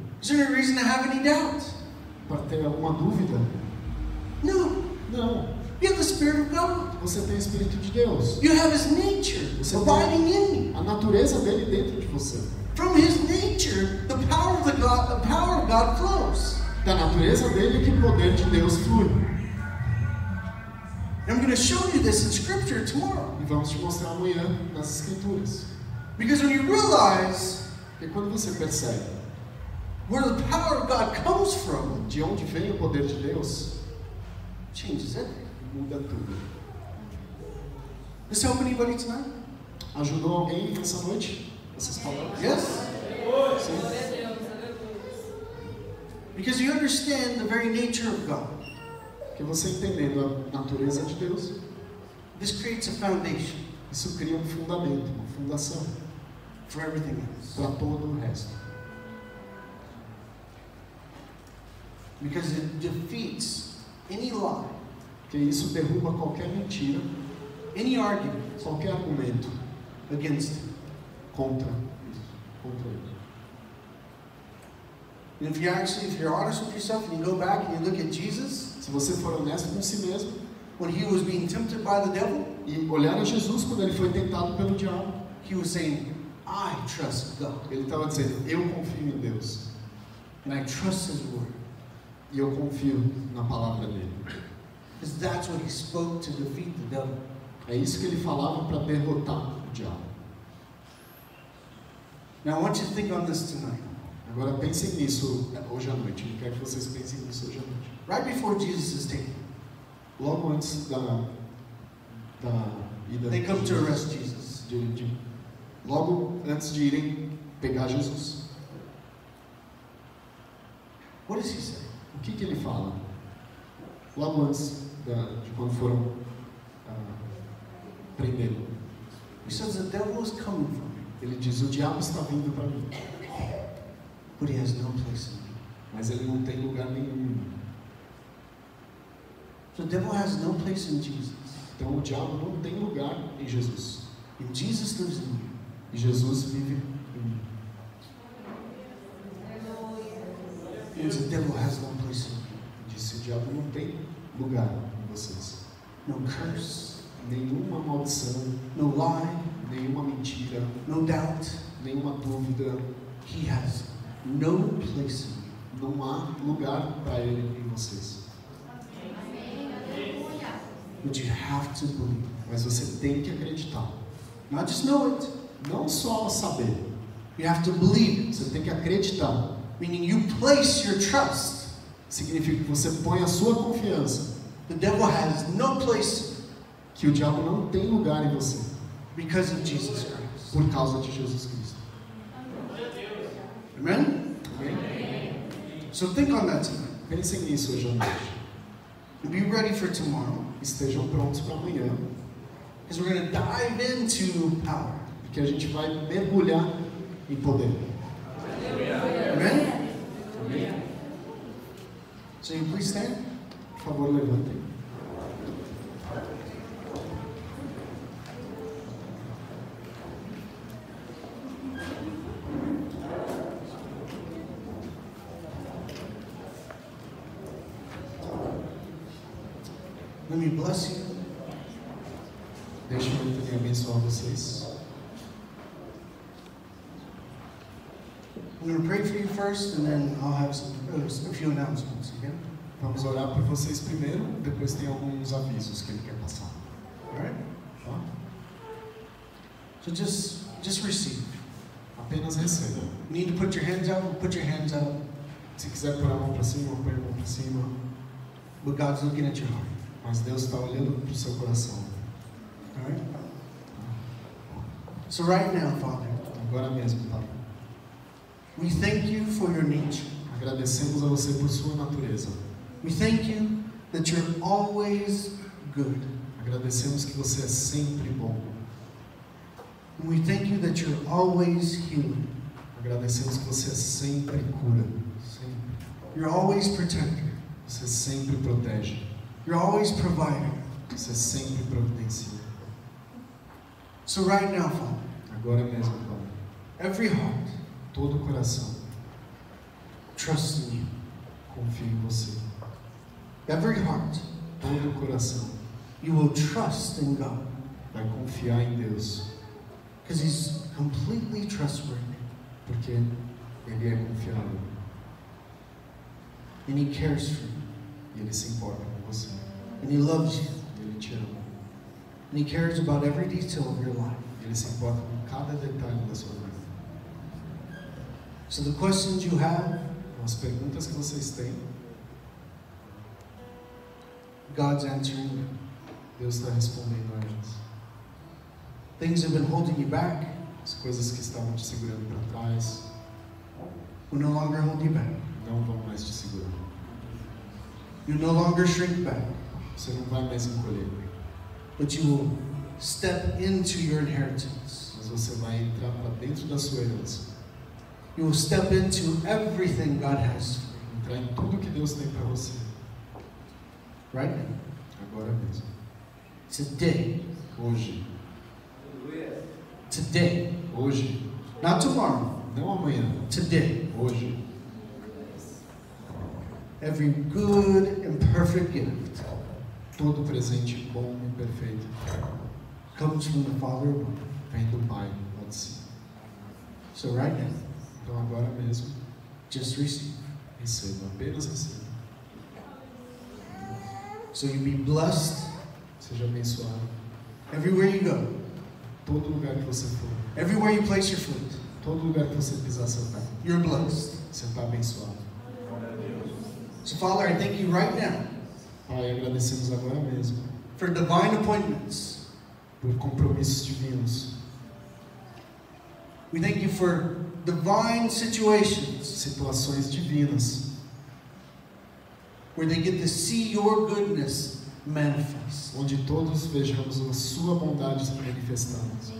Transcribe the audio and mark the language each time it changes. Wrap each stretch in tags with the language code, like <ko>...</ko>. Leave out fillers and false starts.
<en>Is there any reason to have any doubt?</en> <pt>Para ter alguma dúvida?</pt> <en>No.</en> <pt>Não.</pt> <en>You have the Spirit of God.</en> <pt>Você tem o Espírito de Deus.</pt> <en>You have His nature.</en> <pt>Você</pt> <en>abiding</en> <pt>tem</pt> <en>in.</en> <pt>A natureza dele dentro de você.</pt> <en>From His nature, the power of the God, the power of God flows.</en> <pt>Da natureza dele que o poder de Deus flui.</pt> <en>I'm going to show you this in Scripture tomorrow.</en> <pt>E vamos te mostrar amanhã nas Escrituras.</pt> <en>Because when you realize.</en> <pt>E quando você percebe</pt> <en>where the power of God comes from,</en> <pt>de onde vem o poder de Deus,</pt> <en>changes it.</en> <pt>Muda tudo.</pt> <en>Does help anybody tonight?</en> <pt>Ajudou alguém essa noite? Essas palavras?</pt> <en>Yes.</en> <pt>Sim.</pt> <en>Because you understand the very nature of God.</en> <pt>Que você entendendo a natureza de Deus.</pt> <en>This creates a foundation.</en> <pt>Isso cria um fundamento, uma fundação.</pt> <en>For everything else.</en> <pt>Para todo o resto.</pt> <en>Because it defeats any lie.</en> <pt>Que isso derruba qualquer mentira.</pt> <en>Any argument.</en> <pt>Qualquer argumento.</pt> <en>Against him.</en> <pt>Contra. Isso. Contra ele.</pt> <en>And if you actually, if you're honest with yourself, and you go back and you look at Jesus.</en> <pt>Se você for honesto com si mesmo.</pt> <en>When he was being tempted by the devil.</en> <pt>E olhar a Jesus quando ele foi tentado pelo diabo.</pt> <en>He was saying, I trust God.</en> <pt>Ele estava dizendo, eu confio em Deus.</pt> <en>And I trust His word.</en> <pt>E eu confio na palavra dele.</pt> <en>Because that's what He spoke to defeat the devil.</en> <pt>É isso que ele falava para derrotar o diabo.</pt> <en>Now I want you to think on this tonight.</en> <pt>Agora pensem nisso hoje à noite. Eu quero que vocês pensem nisso hoje à noite.</pt> <en>Right before Jesus is taken.</en> <pt>Logo antes da ida.</pt> <en>They come to arrest Jesus.</en> <pt>Logo antes de irem pegar Jesus.</pt> <en>What does he say?</en> <pt>O que que ele fala? Logo antes de quando foram prendê-lo.</pt> <en>He says the devil is coming for me.</en> <pt>Ele diz, o diabo está vindo para mim.</pt> <en>But he has no place in me.</en> <pt>Mas ele não tem lugar nenhum.</pt> <en>So the devil has no place in Jesus.</en> <pt>Então o diabo não tem lugar em Jesus.</pt> <en>And Jesus lives in me.</en> <pt>E Jesus vive em mim.</pt> <en>The devil has no place in me.</en> <pt>Disse, o diabo não tem lugar em vocês.</pt> <en>No curse.</en> <pt>Nenhuma maldição.</pt> <en>No lie.</en> <pt>Nenhuma mentira.</pt> <en>No doubt.</en> <pt>Nenhuma dúvida.</pt> <en>He has no place.</en> <pt>Não há lugar para ele em vocês.</pt> <en>But you have to believe.</en> <pt>Mas você tem que acreditar.</pt> <en>Not just know it.</en> <pt>Não só saber.</pt> <en>You have to believe.</en> <pt>Você tem que acreditar.</pt> <en>Meaning you place your trust.</en> <pt>Significa que você põe a sua confiança.</pt> <en>The devil has no place.</en> <pt>Que o diabo não tem lugar em você.</pt> <en>Because of Jesus Christ.</en> <pt>Por causa de Jesus Cristo.</pt> <en>Amen?</en> <pt>Amen.</pt> <en>So think on that tonight.</en> <pt>Pensem nisso hoje à noite.</pt> <en>And be ready for tomorrow.</en> <pt>Estejam prontos para amanhã.</pt> <en>Because we're going to dive into power.</en> <pt>Porque a gente vai mergulhar em poder.</pt> <en>Amen? So you please stand.</en> <pt>Por favor, levantem.</pt> <en>Let me bless you.</en> <pt>Deixa eu também abençoar vocês.</pt> <en>I'm going to pray for you first, and then I'll have a few announcements. Okay?</en> <pt>Vamos orar por vocês primeiro, depois tem alguns avisos que ele quer passar.</pt> <en>All right? So just receive.</en> <pt>Apenas receba.</pt> <en>You need to put your hands up. Put your hands up.</en> <pt>Se quiser pôr a mão para cima, põe a mão para cima.</pt> <en>But God's looking at your heart.</en> <pt>Mas Deus está olhando para o seu coração.</pt> <en>Alright? So right now, Father.</en> <pt>Agora mesmo, Pai.</pt> <en>We thank you for your nature.</en> <pt>Agradecemos a você por sua natureza.</pt> <en>We thank you that you're always good.</en> <pt>Agradecemos que você é sempre bom.</pt> <en>And we thank you that you're always healing.</en> <pt>Agradecemos que você é sempre cura. Sempre.</pt> <en>You're always protector.</en> <pt>Você sempre protege.</pt> <en>You're always provider.</en> <pt>Você sempre providencia.</pt> <en>So right now, Father.</en> <pt>Agora mesmo, Pai.</pt> <en>Every heart.</en> <pt>Todo coração.</pt> <en>Trust in you.</en> <pt>Confio em você.</pt> <en>Every heart.</en> <pt>Todo coração.</pt> <en>You will trust in God.</en> <pt>Vai confiar em Deus.</pt> <en>Because He's completely trustworthy.</en> <pt>Porque Ele é confiável.</pt> <en>And He cares for you.</en> <pt>E Ele se importa.</pt> <en>And He loves you.</en> <pt>Ele te ama.</pt> <en>And He cares about every detail of your life.</en> <pt>Ele se importa com cada detalhe da sua vida.</pt> <en>So the questions you have,</en> <pt>as perguntas que vocês têm,</pt> <en>God's answering them.</en> <pt>Deus está respondendo a elas.</pt> <en>Things have been holding you back.</en> <pt>As coisas que estavam te segurando para trás,</pt> <en>will no longer hold you back.</en> <pt>Não vão mais te segurar.</pt> <en>You no longer shrink back.</en> <pt>Você não vai mais encolher.</pt> <en>But you will step into your inheritance.</en> <pt>Mas você vai entrar para dentro da sua herança.</pt> <en>You will step into everything God has for you.</en> <pt>Entrar em tudo que Deus tem para você.</pt> <en>Right?</en> <pt>Agora mesmo.</pt> <en>Today.</en> <pt>Hoje.</pt> <en>Today.</en> <pt>Hoje.</pt> <en>Not tomorrow.</en> <pt>Não amanhã.</pt> <en>Today.</en> <pt>Hoje.</pt> <en>Every good and perfect gift,</en> <pt>todo presente bom e perfeito,</pt> <en>comes from the Father above.</en> <pt>Vem do Pai, pode ser.</pt> <en>So right now,</en> <pt>então agora mesmo,</pt> <en>just receive.</en> <pt>Receba, apenas receba.</pt> <en>So you be blessed.</en> <pt>Seja abençoado.</pt> <en>Everywhere you go,</en> <pt>todo lugar que você for.</pt> <en>Everywhere you place your foot,</en> <pt>todo lugar que você pisar seu pé.</pt> <en>You're blessed.</en> <pt>Você está abençoado.</pt> <en>So Father, I thank you right now.</en> <pt>Pai, agradecemos agora mesmo.</pt> <en>For divine appointments.</en> <pt>Por compromissos divinos.</pt> <en>We thank you for divine situations.</en> <pt>Situações divinas.</pt> <en>Where they get to see your goodness manifest.</en> <pt>Onde todos vejamos a sua bondade se manifestando.</pt>